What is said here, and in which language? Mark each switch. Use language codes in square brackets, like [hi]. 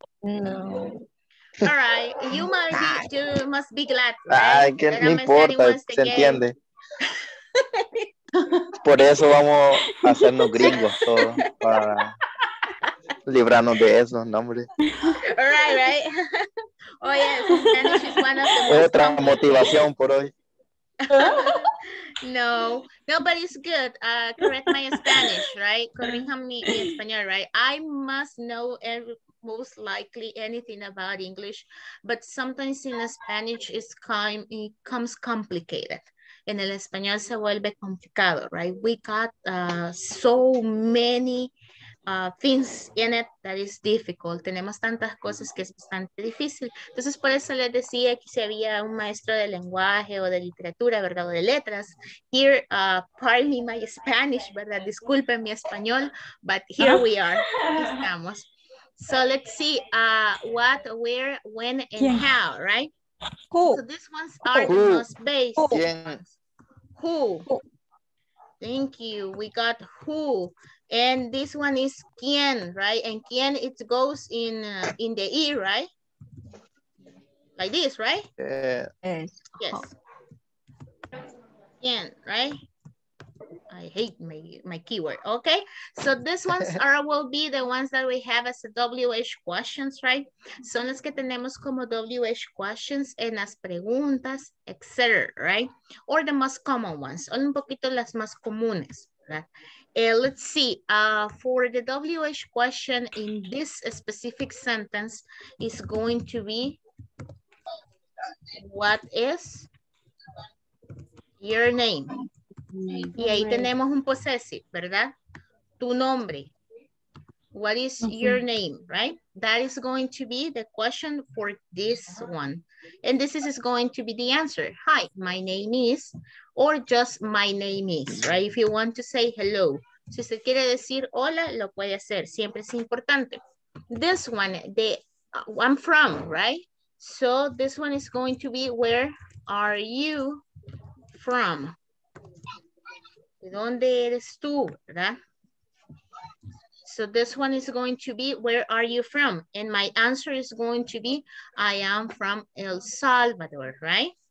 [en] No. All right. You must be, you must be glad. [es] Ay, que no importa, se entiende. Por eso vamos a hacernos gringos todos, para librarnos de eso, ¿no, hombre? [en] All right, right. Oh, yes, Spanish is one of the most... [es] Otra motivación por hoy. [en] No, no, but it's good. Correct my Spanish, right? Correct [es] mi español, [en] right? I must know every, most likely anything about English, but sometimes in Spanish it's kind, it comes complicated. [es] En el español se vuelve complicado, [en] right? We got so many things in it that is difficult. [es] Tenemos tantas cosas que es bastante difícil. Entonces, por eso les decía que si había un maestro de lenguaje o de literatura, ¿verdad? O de letras. [en] Here, pardon me my Spanish, ¿verdad? [es] Disculpen mi español, [en] but here we are. [es] Aquí estamos. [en] So, let's see what, where, when, and how, right? Who? So these ones are the most basic ones. Who? Thank you. We got who. And this one is quién, right? And quién, it goes in the E, right? Like this, right? Yes. Quién, right? I hate my keyword. Okay. So these ones are will be the ones that we have as WH questions, right? [es] Son las que tenemos como WH questions en las preguntas, etc., right? [en] Or the most common ones. [es] Son un poquito las más comunes, ¿verdad? [en] Let's see. For the WH question in this specific sentence is going to be what is your name? [es] Y ahí tenemos un possessive, ¿verdad? Tu nombre. [en] What is your name, right? That is going to be the question for this one. And this is going to be the answer. Hi, my name is, or just my name is, right? If you want to say hello. [es] Si se quiere decir hola, lo puede hacer. Siempre es importante. [en] This one, the I'm from, right? So this one is going to be where are you from? [es] ¿De dónde eres tú, verdad? [en] So this one is going to be, where are you from? And my answer is going to be, I am from El Salvador, right?